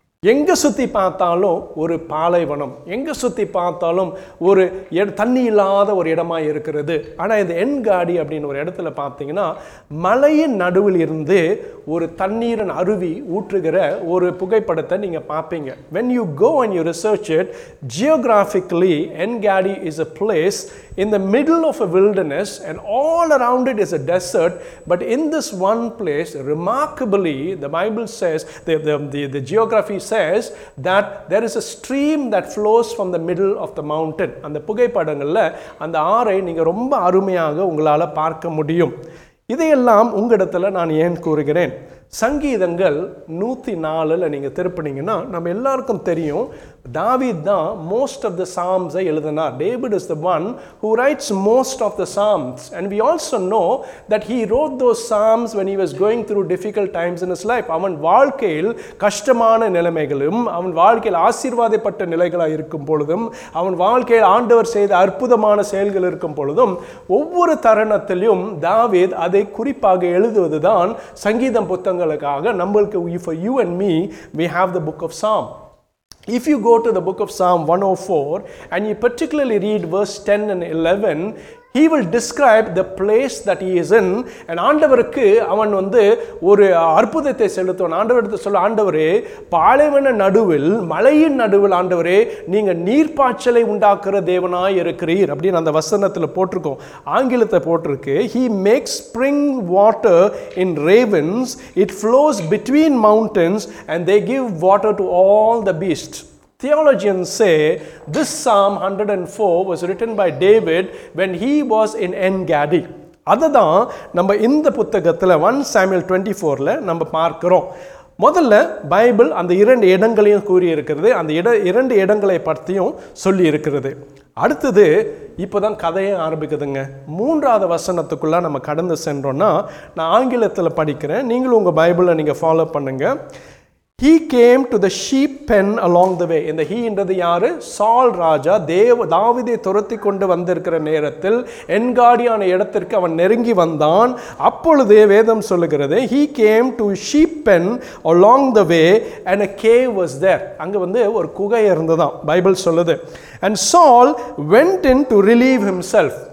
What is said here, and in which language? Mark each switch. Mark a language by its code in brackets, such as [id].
[ta] எங்கே சுற்றி பார்த்தாலும் ஒரு பாலைவனம், எங்கே சுற்றி பார்த்தாலும் ஒரு தண்ணி இல்லாத ஒரு இடமாக இருக்கிறது. ஆனால் இந்த என்காடி அப்படின்னு ஒரு இடத்துல பார்த்தீங்கன்னா, மலையின் நடுவில் இருந்து ஒரு தண்ணீரன் அருவி ஊற்றுகிற ஒரு புகைப்படத்தை நீங்கள் பார்ப்பீங்க. [en] When you go and you research it, geographically, En-Gedi is a place in the middle of a wilderness and all around it is a desert. But in this one place, remarkably, the Bible says, the geography says that there is a stream that flows from the middle of the mountain. [ta] அந்த புகைப்படங்களில் அந்த ஆறை நீங்கள் ரொம்ப அருமையாக உங்களால் பார்க்க முடியும். இதையெல்லாம் உங்களிடத்தில் நான் ஏன் கூறுகிறேன்? சங்கீதங்கள் 104 நீங்கள் திருப்பினீங்கன்னா, நம்ம எல்லாருக்கும் தெரியும், தாவீத் தான் [en] most of the சாம்ஸை [ta] எழுதினார். [en] David is the one who writes most of the psalms. And we also know that he wrote those psalms when he was going through difficult times in his life. [ta] அவன் வாழ்க்கையில் கஷ்டமான நிலைமைகளும், அவன் வாழ்க்கையில் ஆசீர்வாதப்பட்ட நிலைகளாக இருக்கும் பொழுதும், அவன் வாழ்க்கையில் ஆண்டவர் செய்த அற்புதமான செயல்கள் இருக்கும் பொழுதும், ஒவ்வொரு தருணத்திலும் தாவீத் அதை குறிப்பாக எழுதுவது தான் சங்கீதம் புத்தகங்களுக்காக. நம்மளுக்கு [en] For you and me, we have the book of Psalm. If you go to the book of Psalm 104 and you particularly read verse 10 and 11, he will describe the place that he is in. [ta] And ஆண்டவருக்கு அவன் வந்து ஒரு அற்புதத்தை செலுத்துவன். ஆண்டவரிடத்தை சொல்ல, ஆண்டவரே, பாலைவன நடுவில், மலையின் நடுவில் ஆண்டவரே, நீங்கள் நீர்ப்பாய்ச்சலை உண்டாக்குற தேவனாய் இருக்கிறீர் அப்படின்னு அந்த வசனத்தில் போட்டிருக்கோம். ஆங்கிலத்தை போட்டிருக்கு, [en] He makes spring water in ravines, it flows between mountains and they give water to all the beast. Theologians say this Psalm 104 was written by David when he was in En-Gedi. [ta] அதுதான் நம்ம இந்த புத்தகத்தில் 1 Samuel 24 நம்ம பார்க்குறோம். முதல்ல Bible அந்த இரண்டு இடங்களையும் கூறியிருக்கிறது, அந்த இரண்டு இடங்களை பற்றியும் சொல்லியிருக்கிறது. அடுத்தது இப்போ தான் கதையை ஆரம்பிக்குதுங்க. 3வது வசனத்துக்குள்ளே நம்ம கடந்து சென்றோன்னா, நான் ஆங்கிலத்தில் படிக்கிறேன், நீங்களும் உங்கள் பைபிளை நீங்கள் ஃபாலோ பண்ணுங்கள். [en] He came to the sheep pen along the way. [ta] இந்த ஹீ என்றது யாரு? சால் ராஜா தாவீதை துரத்தி கொண்டு வந்திருக்கிற நேரத்தில் என்காடியான இடத்திற்கு அவன் நெருங்கி வந்தான். அப்பொழுது வேதம் சொல்லுகிறது, [en] He came to sheep pen along the way and a cave was there. [ta] அங்கே வந்து ஒரு குகை இருந்ததான் பைபிள் சொல்லுது. [en] And Saul went in to relieve himself.